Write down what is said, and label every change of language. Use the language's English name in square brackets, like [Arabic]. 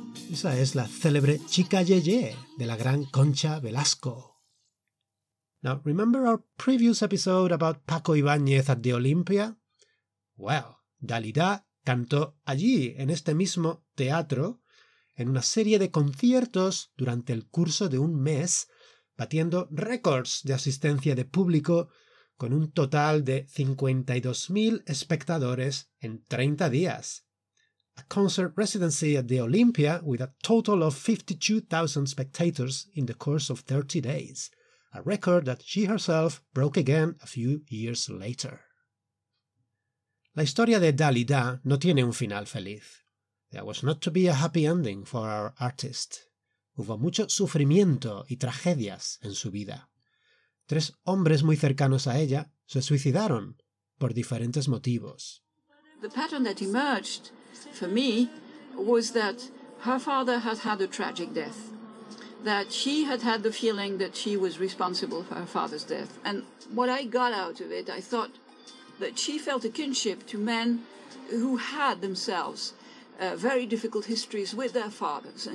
[Spanish] Esa es la célebre Chica Yeye de la gran Concha Velasco. [English] Now, remember our previous episode about Paco Ibáñez at the Olympia? [Spanish] Well, Dalida cantó allí, en este mismo teatro, en una serie de conciertos durante el curso de un mes, batiendo récords de asistencia de público con un total de 52.000 espectadores en 30 días. [English] A concert residency at the Olympia with a total of 52,000 spectators in the course of 30 days, a record that she herself broke again a few years later. [Spanish] La historia de Dalida no tiene un final feliz. [English] There was not to be a happy ending for our artist. [Spanish] Hubo mucho sufrimiento y tragedias en su vida. Tres hombres muy cercanos a ella se suicidaron por diferentes motivos. [English] The pattern that emerged for me was that her father had had a tragic death, that she had had the feeling that she was responsible for her father's death. And what I got out of it, I thought that she felt a kinship to men who had themselves very difficult histories with their fathers.